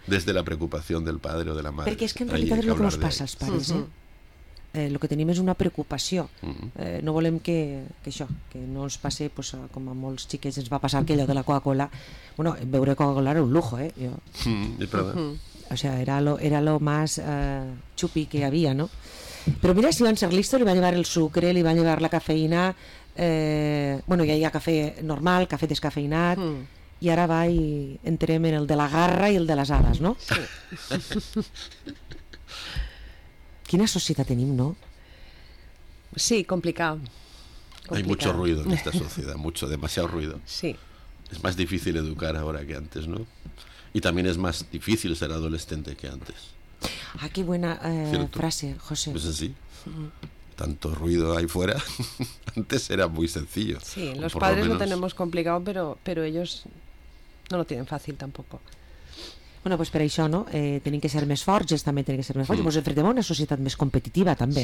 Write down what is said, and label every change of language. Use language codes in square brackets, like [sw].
[ca] Des de la preocupació del padre o de la mare. Perquè és que en realitat és el que ens passa als pares, el que tenim és una preocupació. No volem que això, que no ens passi, pues, com a molts xiquets ens va passar aquello de la Coca-Cola. Bueno, beure Coca-Cola era un lujo, eh? És verdad. [es] O sea, era lo más chupi que había, ¿no? [ca] Però mira, si van ser listos, li van llevar el sucre, li van llevar la cafeïna, bueno, ja hi ha cafè normal, cafè descafeïnat, i ara va i entrem en el de la garra i el de les ales, no? Sí. Quina societat tenim, no? Sí, complicat. [es] Hay mucho ruido en esta sociedad, mucho, demasiado ruido. Sí. Es más difícil educar ahora que antes, ¿no? Y también es más difícil ser adolescente que antes. Ah, qué buena frase, José. Pues así. Tanto ruido ahí fuera. Antes era muy sencillo. Sí, los padres lo tenemos complicado, pero ellos no lo tienen fácil tampoco. [ca] Bueno, pues per això, no? Tenen que ser més forts, ells també tenen que ser més forts. Ens enfrentem a una societat més competitiva, també,